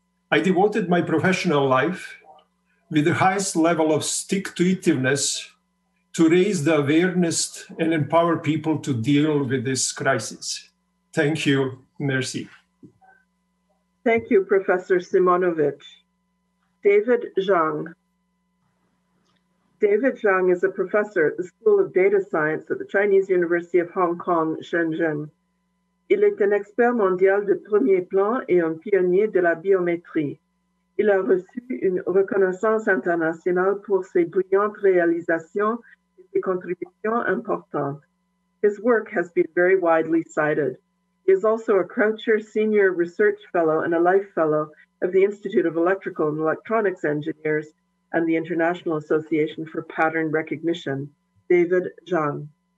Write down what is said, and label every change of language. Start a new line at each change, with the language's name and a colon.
English: I devoted my professional life with the highest level of stick-to-itiveness to raise the awareness and empower people to deal with this crisis. Thank you, merci. Thank you, Professor Simonovic. David Zhang. David Zhang is a professor at the School of Data Science at the Chinese University of Hong Kong, Shenzhen.
French: Il est un expert mondial de premier plan et un pionnier de la biométrie. Il a reçu une reconnaissance internationale pour ses brillantes réalisations. Contribution importante.
English: His work has been very widely cited. He is also a Croucher Senior Research Fellow and a Life Fellow of the Institute of Electrical and Electronics Engineers and the International Association for Pattern Recognition. David Zhang.